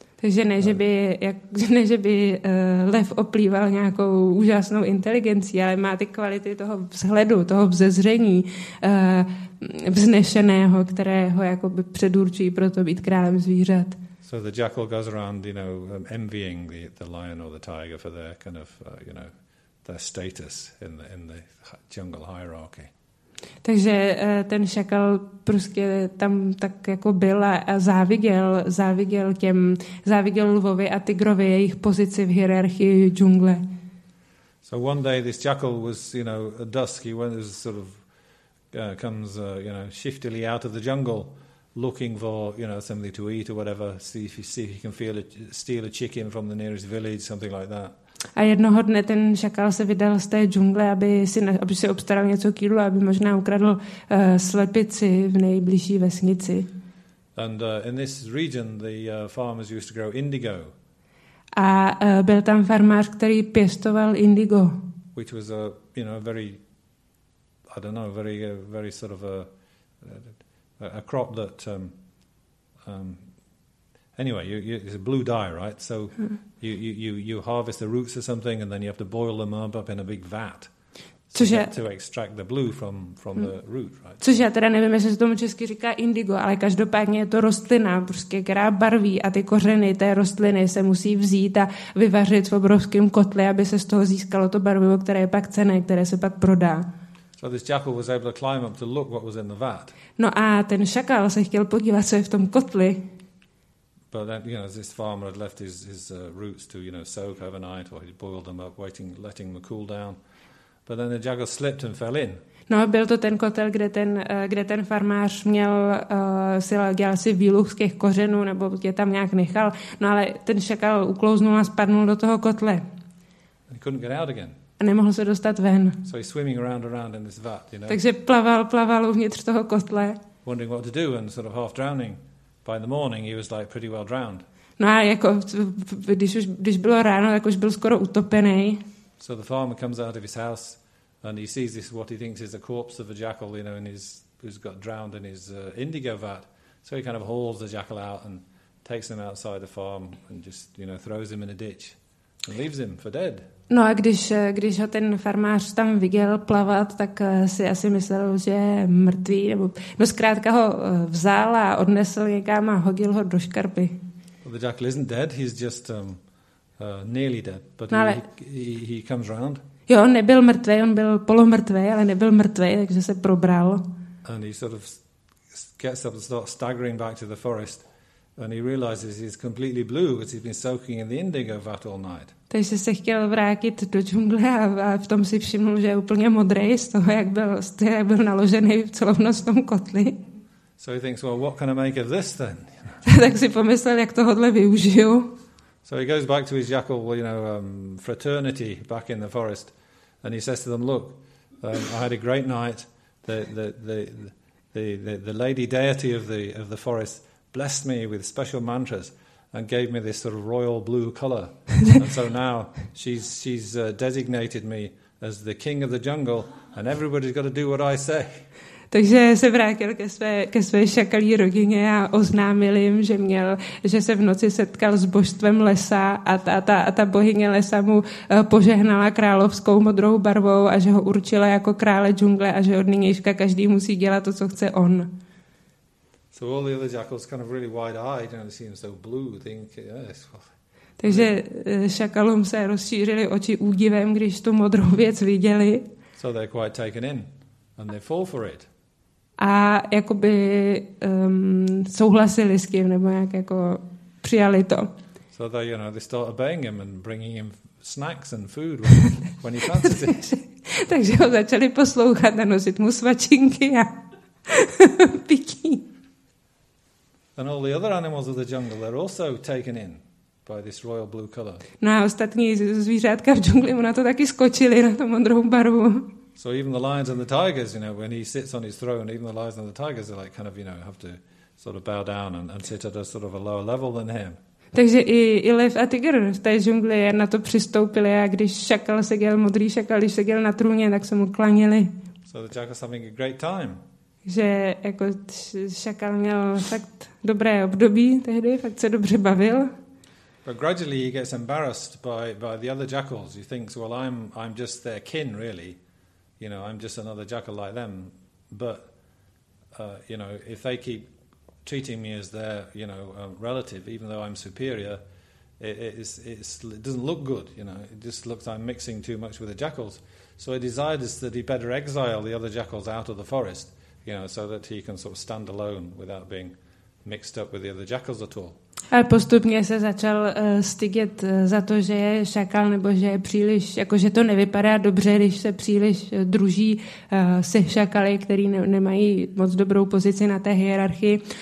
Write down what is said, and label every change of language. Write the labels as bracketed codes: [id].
[cs] Takže ne, že by lev oplýval nějakou úžasnou inteligencí, ale má ty kvality toho vzhledu, toho vzezření vznešeného, které ho jakoby předurčí pro to být králem zvířat. [en] So the jackal goes around, you know, envying the lion or the tiger for their kind of, you know, their status in the jungle hierarchy. [cs] Takže ten šakal prostě tam tak jako byl a záviděl lvovi a tygrovi jejich pozici v hierarchii džungle. [en] So one day this jackal was, you know, at dusk, he went, comes shiftily out of the jungle looking for, you know, something to eat or whatever, see if he can steal a chicken from the nearest village, something like that. [cs] A jednoho dne ten šakal se vydal z té džungle, aby si obstaral něco k jídlu, aby možná ukradl slepici v nejbližší vesnici. [en] And in this region the farmers used to grow indigo. [cs] A byl tam farmář, který pěstoval indigo. [en] Which was a crop that anyway, it's a blue dye, right? So you harvest the roots or something, and then you have to boil them up in a big vat to extract the blue from the root, right? [cs] Což já teda nevím, jestli se tomu česky říká indigo, ale každopádně je to rostlina, prostě která barví a ty kořeny té rostliny se musí vzít a vyvařit v obrovském kotli, aby se z toho získalo to barvivo, které je pak cenné, které se pak prodá. [en] So this jackal was able to climb up to look what was in the vat. [cs] No a ten šakal se chtěl podívat, co je v tom kotli. [en] But then, you know, this farmer had left his roots to, you know, soak overnight, or he'd boiled them up, waiting, letting them cool down. But then the jackal slipped and fell in. [cs] No, byl to ten kotel, kde ten farmář měl dělal si výluh z těch kořenů, nebo je tam nějak nechal. No, ale ten šakal uklouznul a spadnul do toho kotle. [en] And he couldn't get out again. [cs] A nemohl se dostat ven. [en] So he's swimming around in this vat, you know. [cs] Takže plaval uvnitř toho kotle. [en] Wondering what to do and sort of half drowning. By the morning he was like pretty well drowned. [cs] No, jako když bylo ráno, tak už byl skoro utopený. [en] So the farmer comes out of his house and he sees this what he thinks is a corpse of a jackal, you know, and who's got drowned in his indigo vat. So he kind of hauls the jackal out and takes him outside the farm and just, you know, throws him in a ditch and leaves him for dead. [cs] No, a když ho ten farmář tam viděl plavat, tak si asi myslel, že je mrtvý. Nebo, no zkrátka ho vzal a odnesl někam a hodil ho do škarpy. [en] Well, the jackal isn't dead, he's just nearly dead, but no, he comes round. [cs] Jo, on nebyl mrtvý, on byl polomrtvý, ale nebyl mrtvý, takže se probral. [en] And he sort of gets up and starts staggering back to the forest. And he realizes he's completely blue because he's been soaking in the indigo vat all night. [cs] Takže se chtěl vrátit do džungle a v tom si všiml, že je úplně modrý z toho, jak byl naložený celou noc v tom kotli. [en] So he thinks, well, what can I make of this then? [cs] Tak si pomyslel, jak tohle využiju. [en] So he goes back to his jackal, you know, fraternity back in the forest, and he says to them, look, I had a great night. The lady deity of the forest blessed me with special mantras and gave me this sort of royal blue color. And so now she's designated me as the king of the jungle and everybody's got to do what I say. [cs] Takže se vrátil ke své šakalí rodině a oznámil jim, že se v noci setkal s božstvem lesa a ta bohyně lesa mu požehnala královskou modrou barvou a že ho určila jako krále džungle a že od nynějška každý musí dělat to, co chce on. [en] So all the other jackals kind of really wide-eyed and seem so blue, think, yes, well. [cs] Takže šakalům se rozšířily oči údivem, když tu modrou věc viděli. [en] So they're quite taken in and they fall for it. [cs] A jakoby souhlasili s tím, nebo jak jako přijali to. [en] So they, you know, they start obeying him and bringing him snacks and food when he fancies it. [cs] Takže ho začali poslouchat a nosit mu svačinky a pití. [en] And all the other animals of the jungle are also taken in by this royal blue color. [cs] No, ostatní zvířátka v džungli mu na to taky skočili na tu modrou barvu. [en] So even the lions and the tigers, you know, when he sits on his throne, even the lions and the tigers are like kind of, you know, have to sort of bow down and sit at a sort of a lower level than him. [cs] Takže i lev a tygr v té džungli na to přistoupili a když šakal seděl, modrý šakal, když seděl na trůně, tak se mu klanili. [en] So the jackals having a great time. [cs] Že jako šakal měl fakt dobré období tehdy, fakt se dobře bavil. [en] But gradually he gets embarrassed by the other jackals. He thinks, well, I'm just their kin, really. You know, I'm just another jackal like them. But, you know, if they keep treating me as their, you know, relative, even though I'm superior, it doesn't look good, you know. It just looks like I'm mixing too much with the jackals. So he decides that he better exile the other jackals out of the forest, you know, so that he can sort of stand alone without being mixed up with the other jackals at all. [cs] Ale postupně se začal stydět za to, že je šakal nebo že je příliš, jakože to nevypadá dobře, když se příliš druží se šakaly, který nemají moc dobrou pozici na té hierarchii.